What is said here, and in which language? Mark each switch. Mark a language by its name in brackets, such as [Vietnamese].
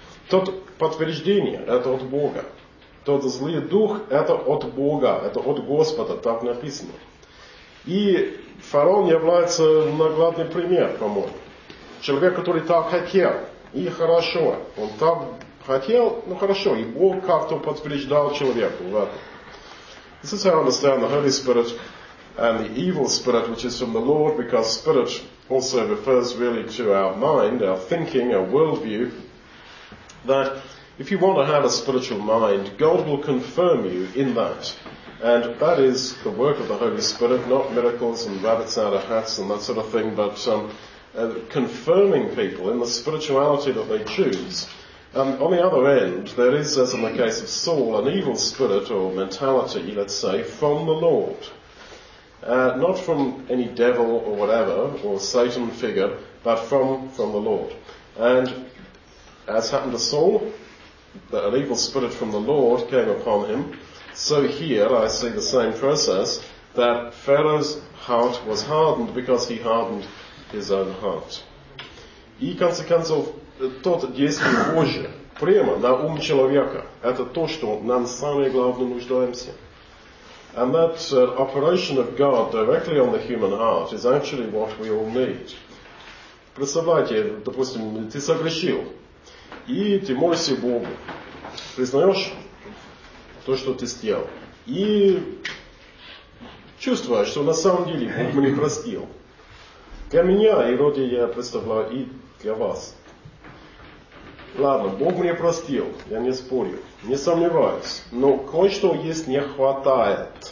[Russian] Тот подтверждение, это от Бога. Тот злый дух, это от Бога, это от Господа, так написано. И фараон является наглядный пример, по-моему. Человек, который так хотел, и хорошо, он так хотел, ну хорошо, и Бог как-то подтверждал человеку в этом. [English] This is how I understand the Holy Spirit and the evil spirit, which is from the Lord, because spirit also refers really to our mind, our thinking, our worldview, that if you want to have a spiritual mind, God will confirm you in that. And that is the work of the Holy Spirit, not miracles and rabbits out of hats and that sort of thing, but confirming people in the spirituality that they choose. And on the other end, there is, as in the case of Saul, an evil spirit or mentality, let's say, from the Lord. Not from any devil or whatever, or Satan figure, but from the Lord. And as happened to Saul, an evil spirit from the Lord came upon him. So here I see the same process, that Pharaoh's heart was hardened because he hardened his own heart. [Russian] И, в конце концов, тот действие Божие прямо на ум человека, это то, что нам самое главное нуждаемся. [English] And that operation of God directly on the human heart is actually what we all need. [Russian] Представляете, допустим, ты согрешил, и ты молишься Богу, признаешь то, что ты сделал, и чувствуешь, что на самом деле Бог меня простил. Для меня, и вроде я представляю, и для вас. Ладно, Бог мне простил, я не спорю, не сомневаюсь, но кое-что есть не хватает.